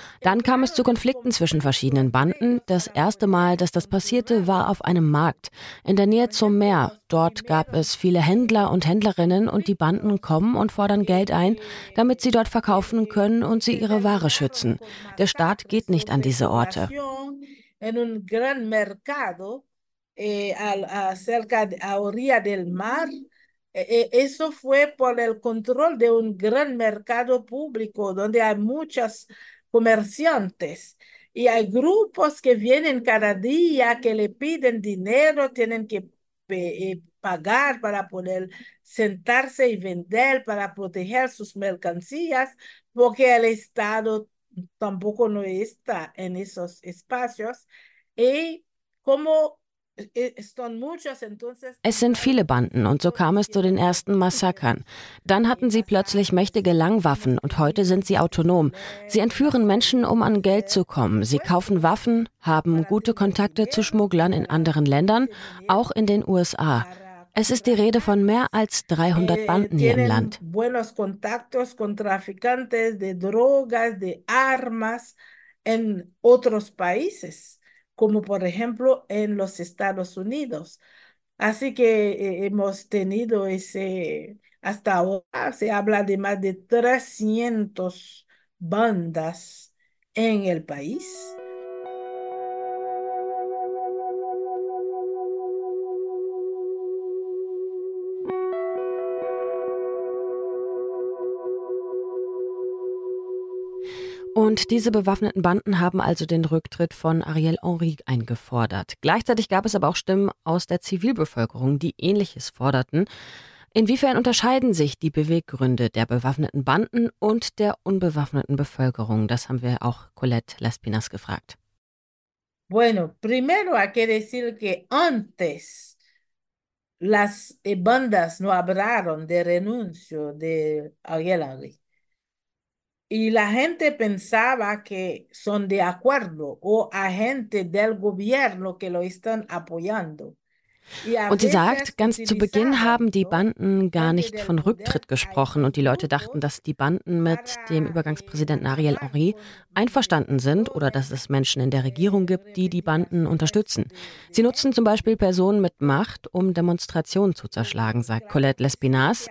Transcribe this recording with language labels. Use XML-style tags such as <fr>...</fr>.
<de>Dann kam es zu Konflikten zwischen verschiedenen Banden. Das erste Mal, dass das passierte, war auf einem Markt in der Nähe zum Meer. Dort gab es viele Händler und Händlerinnen und die Banden kommen und fordern Geld ein, damit sie dort verkaufen können und sie ihre Ware schützen. Der Staat geht nicht an diese Orte.</de> <es>En un gran mercado cerca de la orilla del mar. Eso fue por el control de un gran mercado público donde hay muchos comerciantes. Y hay grupos que vienen cada día, que le piden dinero, tienen que pagar para poder sentarse y vender, para proteger sus mercancías, porque el Estado tampoco no está en esos espacios.</es> <de>Es sind viele Banden und so kam es zu den ersten Massakern. Dann hatten sie plötzlich mächtige Langwaffen und heute sind sie autonom. Sie entführen Menschen, um an Geld zu kommen. Sie kaufen Waffen, haben gute Kontakte zu Schmugglern in anderen Ländern, auch in den USA. Es ist die Rede von mehr als 300 Banden hier im Land.</de> <es>Buenos contactos con traficantes de drogas, de armas en otros países, como por ejemplo en los Estados Unidos. Así que hemos tenido ese, hasta ahora se habla de más de 300 bandas en el país.</es> <de>Und diese bewaffneten Banden haben also den Rücktritt von Ariel Henry eingefordert. Gleichzeitig gab es aber auch Stimmen aus der Zivilbevölkerung, die Ähnliches forderten. Inwiefern unterscheiden sich die Beweggründe der bewaffneten Banden und der unbewaffneten Bevölkerung? Das haben wir auch Colette Laspinas gefragt.</de> <es>Bueno, primero hay que decir que antes las bandas no hablaron de renuncio de Ariel Henry. Y la gente pensaba que son de acuerdo o agente del gobierno que lo están apoyando.</es> <de>Und sie sagt, ganz zu Beginn haben die Banden gar nicht von Rücktritt gesprochen und die Leute dachten, dass die Banden mit dem Übergangspräsidenten Ariel Henry einverstanden sind oder dass es Menschen in der Regierung gibt, die die Banden unterstützen. Sie nutzen zum Beispiel Personen mit Macht, um Demonstrationen zu zerschlagen, sagt Colette Laspinas.</de>